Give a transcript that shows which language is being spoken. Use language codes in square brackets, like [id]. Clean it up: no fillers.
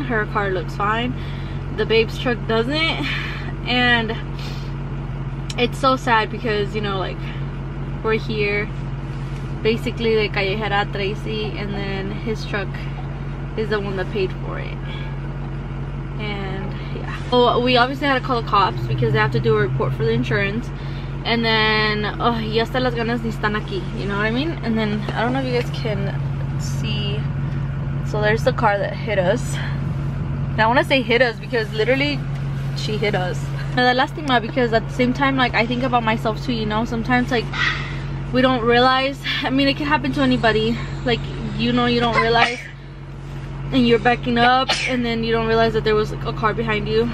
[en] Her car looks fine. The babe's truck doesn't. And it's so sad because, you know, like, we're here basically the callejera Treisi, and then his truck is the one that paid for it. And yeah, oh, we obviously had to call the cops because they have to do a report for the insurance. And then [es] ya hasta las ganas ni están aquí, [en] you know what I mean? And then I don't know if you guys can see, so there's the car that hit us. And I want to say hit us because literally she hit us. And the last thing, because at the same time, like, I think about myself too, you know, sometimes like we don't realize, I mean, it can happen to anybody, like, you know, you don't realize and you're backing up and then you don't realize that there was like a car behind you.